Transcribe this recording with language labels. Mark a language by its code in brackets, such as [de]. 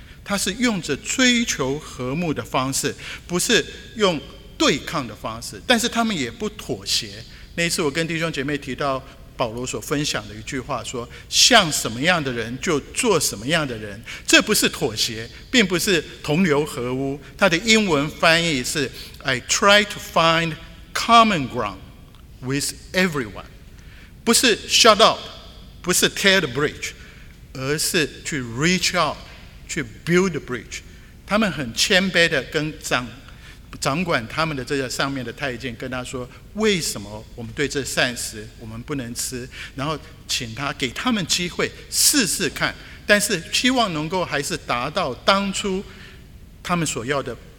[zh] 他是用着追求和睦的方式，不是用对抗的方式，但是他们也不妥协。那一次我跟弟兄姐妹提到保罗所分享的一句话，说像什么样的人就做什么样的人，这不是妥协，并不是同流合污。他的英文翻译是 [en] I try to find common ground with everyone， [zh] 不是 shut up，不是 tear the bridge， 而是去 reach out， 去 build the bridge。他们很谦卑的跟 掌管他们的这个上面的太监跟他说，为什么我们对这膳食我们不能吃，然后请他给他们机会试试看，但是希望能够还是达到当初他们所要的